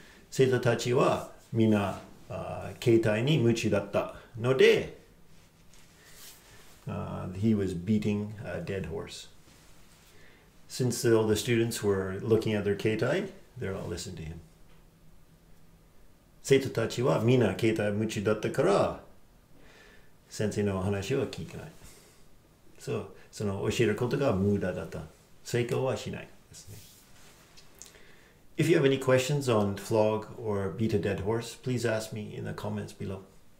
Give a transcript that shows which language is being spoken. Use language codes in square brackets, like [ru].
[ja] 生徒たちはみんな携帯に夢中だったので、 he was beating a dead horse. [en] Since all the students were looking at their 携帯, they're all listening to him. [ja] 生徒たちはみんな携帯夢中だったから、先生の話は聞けない。 So, その教えることが無駄だった。成功はしないですね。 [en] If you have any questions on flog or beat a dead horse, please ask me in the comments below.